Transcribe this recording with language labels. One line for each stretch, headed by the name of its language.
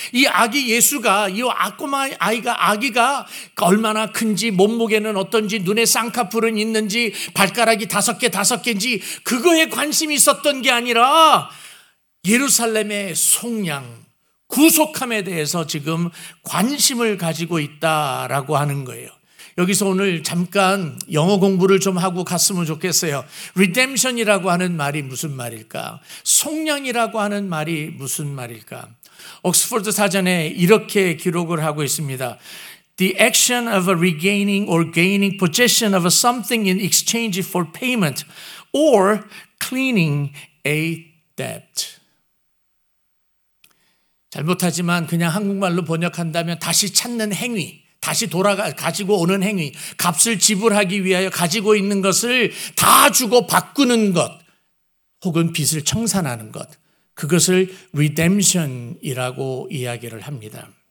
Korean: 이 아기 예수가, 이 아꼬마 아이가, 아기가 얼마나 큰지, 몸무게는 어떤지, 눈에 쌍꺼풀은 있는지, 발가락이 5개인지 그거에 관심이 있었던 게 아니라 예루살렘의 속량, 구속함에 대해서 지금 관심을 가지고 있다라고 하는 거예요. 여기서 오늘 잠깐 영어 공부를 좀 하고 갔으면 좋겠어요. Redemption이라고 하는 말이 무슨 말일까? 속량이라고 하는 말이 무슨 말일까? 옥스퍼드 사전에 이렇게 기록을 하고 있습니다.
English: The action of a regaining or gaining possession of a something in exchange for payment or cleaning a debt.
Korean: 잘못하지만 그냥 한국말로 번역한다면 다시 찾는 행위, 다시 돌아가 가지고 오는 행위, 값을 지불하기 위하여 가지고 있는 것을 다 주고 바꾸는 것, 혹은 빚을 청산하는 것, 그것을 redemption이라고 이야기를 합니다.